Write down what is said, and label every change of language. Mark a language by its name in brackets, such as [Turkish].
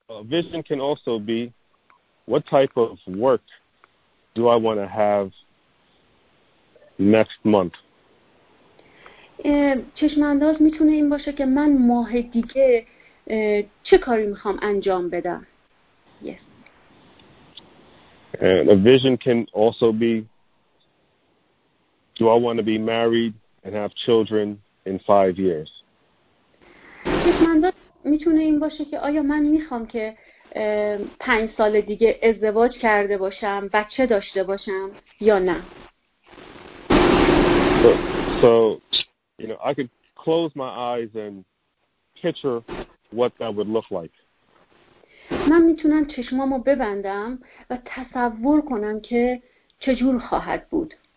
[English] Vision can also be what type of work do I want to have next month. [Persian] چشم‌انداز میتونه این باشه که من ماه دیگه چه کاری میخوام انجام بدم. [English] Yes. And a vision can also be, do I want to be married and have children in 5 years? [Persian] چشم‌انداز میتونه این باشه که آیا من میخوام که 5 سال دیگه ازدواج کرده باشم، بچه داشته باشم یا نه. [English] So you know, I could close my eyes and picture what that would look like. [Persian] من میتونم چشمامو ببندم و تصور کنم که چه جور خواهد بود.